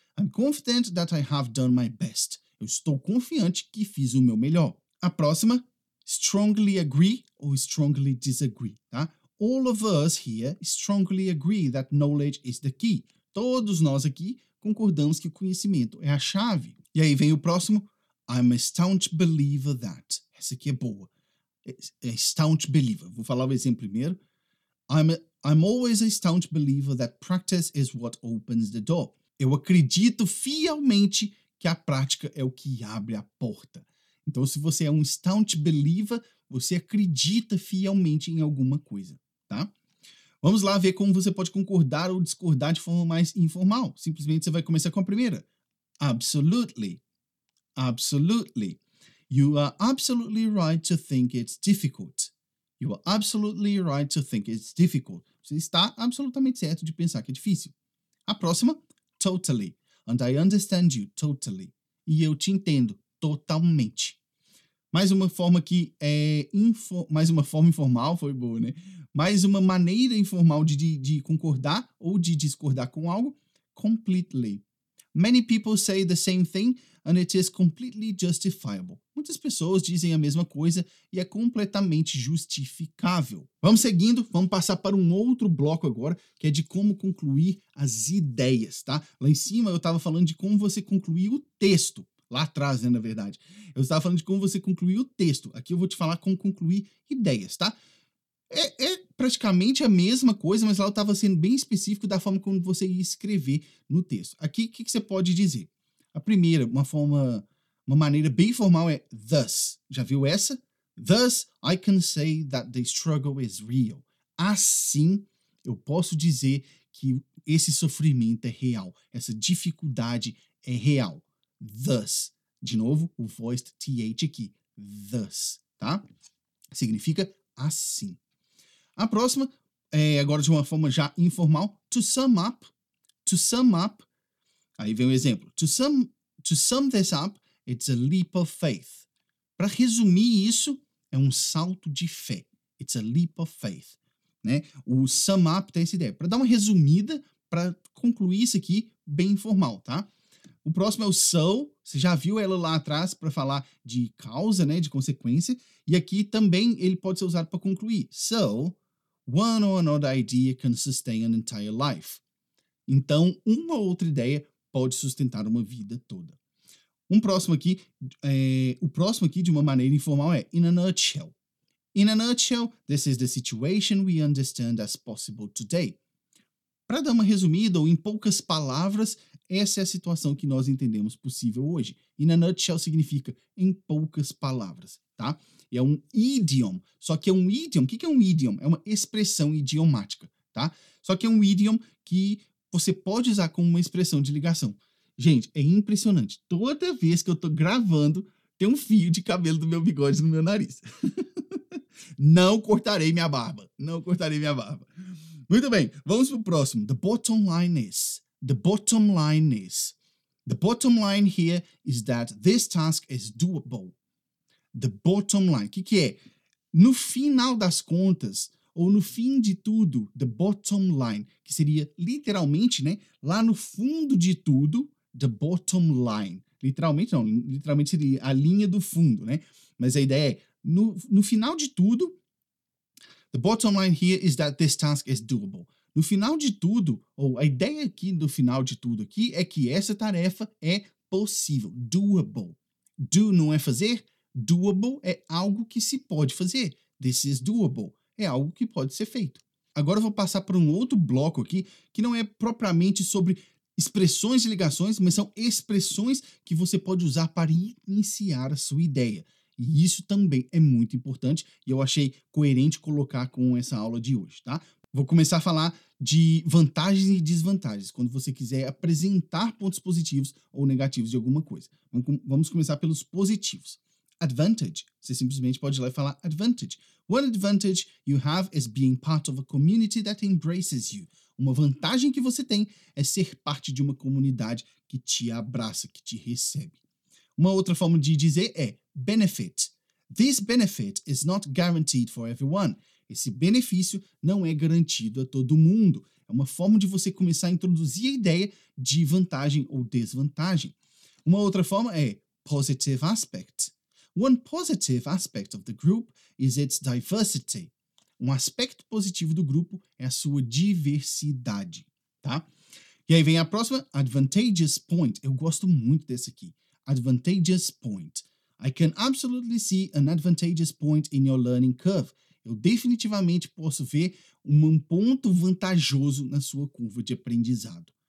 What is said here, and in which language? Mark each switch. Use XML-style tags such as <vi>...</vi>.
<en>I'm confident that I have done my best.</en> <pt>Eu estou confiante que fiz o meu melhor. A próxima,</pt> <en>strongly agree</en> <pt>ou</pt> <en>strongly disagree,</en> <pt>tá?</pt> <en>All of us here strongly agree that knowledge is the key.</en> <pt>Todos nós aqui concordamos que o conhecimento é a chave. E aí vem o próximo,</pt> <en>I'm a staunch believer that.</en> <pt>Essa aqui é boa. A staunch believer. Vou falar o exemplo primeiro.</pt> <en>I'm always a staunch believer that practice is what opens the door.</en> <pt>Eu acredito fielmente que a prática é o que abre a porta. Então, se você é um staunch believer, você acredita fielmente em alguma coisa, tá? Vamos lá ver como você pode concordar ou discordar de forma mais informal. Simplesmente você vai começar com a primeira. Absolutely.</pt> <en>Absolutely. You are absolutely right to think it's difficult. You are absolutely right to think it's difficult.</en> <pt>Você está absolutamente certo de pensar que é difícil. A próxima, totally.</pt> <en>And I understand you, totally.</en> <pt>E eu te entendo, totalmente. Mais uma forma que é mais uma forma informal, foi boa, né? Mais uma maneira informal de concordar ou de discordar com algo, completely. Many people say the same thing and it is completely justifiable. Muitas pessoas dizem a mesma coisa e é completamente justificável. Vamos seguindo, vamos passar para um outro bloco agora, que é de como concluir as ideias, tá? Lá em cima eu estava falando de como você concluir o texto. Lá atrás, né, na verdade. Eu estava falando de como você concluir o texto. Aqui eu vou te falar como concluir ideias, tá? É praticamente a mesma coisa, mas lá eu estava sendo bem específico da forma como você ia escrever no texto. Aqui, o que você pode dizer? A primeira, uma maneira bem formal é thus. Já viu essa?</pt> <en>Thus, I can say that the struggle is real.</en> <pt>Assim, eu posso dizer que esse sofrimento é real. Essa dificuldade é real. Thus, de novo, o voiced TH aqui, thus, tá? Significa assim. A próxima, é agora de uma forma já informal,</pt> <en>to sum up,</en> <pt>aí vem um exemplo,</pt> <en>to sum this up, it's a leap of faith.</en> <pt>Para resumir isso, é um salto de fé,</pt> <en>it's a leap of faith,</en> <pt>né? O sum up tem essa ideia, para dar uma resumida, para concluir isso aqui, bem informal, tá? O próximo é o so, você já viu ela lá atrás para falar de causa, né, de consequência. E aqui também ele pode ser usado para concluir.</pt> <en>So, one or another idea can sustain an entire life.</en> <pt>Então, uma ou outra ideia pode sustentar uma vida toda. Um próximo aqui, o próximo aqui de uma maneira informal é in a nutshell.</pt> <en>In a nutshell, this is the situation we understand as possible today.</en> <pt>Para dar uma resumida, ou em poucas palavras, essa é a situação que nós entendemos possível hoje. In a nutshell significa em poucas palavras, tá? É um idiom, só que é um idiom. O que é um idiom? É uma expressão idiomática, tá? Só que é um idiom que você pode usar como uma expressão de ligação. Gente, é impressionante. Toda vez que eu tô gravando, tem um fio de cabelo do meu bigode no meu nariz. Não cortarei minha barba. Não cortarei minha barba. Muito bem, vamos para o próximo.</pt> <en>The bottom line is. The bottom line is. The bottom line here is that this task is doable.</en> <pt>The bottom line. O que é? No final das contas, ou no fim de tudo, the bottom line, que seria literalmente, né? Lá no fundo de tudo, the bottom line. Literalmente não, literalmente seria a linha do fundo, né? Mas a ideia é, no final de tudo,</pt> <en>the bottom line here is that this task is doable.</en> <pt>No final de tudo, ou a ideia aqui do final de tudo aqui, é que essa tarefa é possível, doable. Do não é fazer, doable é algo que se pode fazer.</pt> <en>This is doable.</en> <pt>É algo que pode ser feito. Agora eu vou passar para um outro bloco aqui, que não é propriamente sobre expressões e ligações, mas são expressões que você pode usar para iniciar a sua ideia. E isso também é muito importante e eu achei coerente colocar com essa aula de hoje, tá? Vou começar a falar de vantagens e desvantagens, quando você quiser apresentar pontos positivos ou negativos de alguma coisa. Vamos começar pelos positivos. Advantage. Você simplesmente pode ir lá e falar advantage.</pt> <en>One advantage you have is being part of a community that embraces you.</en> <pt>Uma vantagem que você tem é ser parte de uma comunidade que te abraça, que te recebe. Uma outra forma de dizer é</pt> <en>benefit. This benefit is not guaranteed for everyone.</en> <pt>Esse benefício não é garantido a todo mundo. É uma forma de você começar a introduzir a ideia de vantagem ou desvantagem. Uma outra forma é positive aspect.</pt> <en>One positive aspect of the group is its diversity.</en> <pt>Um aspecto positivo do grupo é a sua diversidade, tá? E aí vem a próxima, advantageous point. Eu gosto muito desse aqui.</pt> <en>Advantageous point. I can absolutely see an advantageous point in your learning curve.</en> <pt>Eu definitivamente posso ver um ponto vantajoso na sua curva de aprendizado.</pt>